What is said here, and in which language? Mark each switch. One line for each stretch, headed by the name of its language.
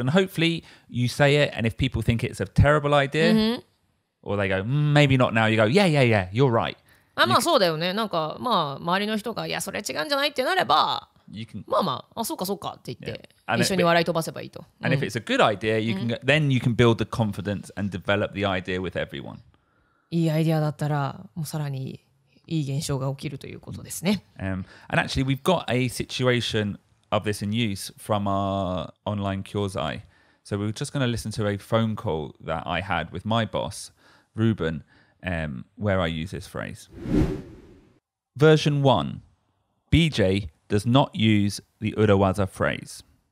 English: And hopefully you say it, and if people think it's a terrible idea,、 mm-hmm. or they go,、maybe not now, you go, yeah, yeah, yeah, you're right.
Japanese: あ、まあそうだよね。なんか、まあ、周りの人が、いや、それ違うんじゃないってなれば、
English: you can,
Japanese: まあまあ、あ、そうかそうかって言って、yeah. 一緒に笑い飛ばせばいいと。
English: And、if it's a good idea, you can,、mm-hmm. then you can build the confidence and develop the idea with everyone.
Japanese: いいアイディアだったらもうさらにいい現象が起きるということですね。
English: And actually, we've got a situation of this in use from our online 教材. So we're just going to listen to a phone call that I had with my boss, Ruben, where I use this phrase. Version 1. BJ does not use the 裏技 phrase.